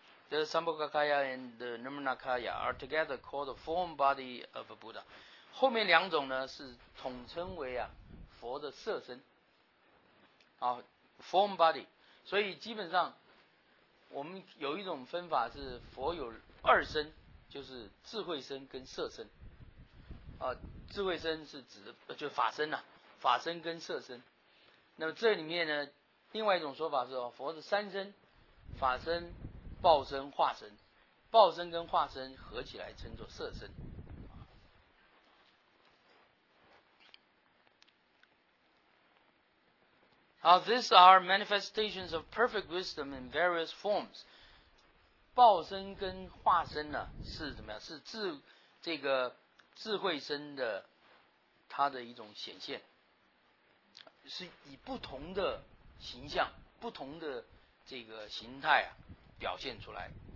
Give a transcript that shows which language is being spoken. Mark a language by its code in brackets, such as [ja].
[en] the Sambhogakaya and the Nirmanakaya are together called the form body of a Buddha. [zh] 后面两种呢是统称为啊佛的色身。 [en] 啊 ,form body。 [zh] 所以基本上我们有一种分法是佛有二身，就是智慧身跟色身。啊智慧身是指就是法身啊，法身跟色身。那么这里面呢另外一种说法是佛的三身，法身、报身、化身，报身跟化身合起来称作色身。 [en] 好 ,these are manifestations of perfect wisdom in various forms. [zh] 报身跟化身呢是怎么样，是智这个智慧身的它的一种显现。是以不同的形象，不同的这个形态啊表现出来。